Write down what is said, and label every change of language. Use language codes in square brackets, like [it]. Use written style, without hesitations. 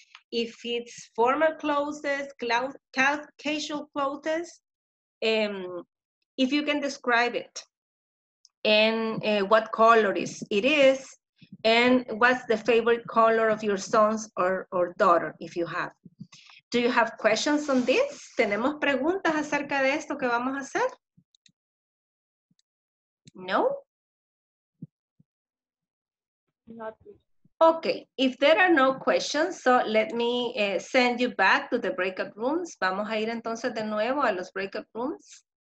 [en] If it's formal clothes, casual clothes, if you can describe it. And what color it is, and what's the favorite color of your sons or daughter, if you have. Do you have questions on this? [es] ¿Tenemos preguntas acerca de esto que vamos a hacer? [en] No? Not. Okay, if there are no questions, so let me send you back to the breakout rooms. [es] Vamos a ir entonces de nuevo a los breakout rooms.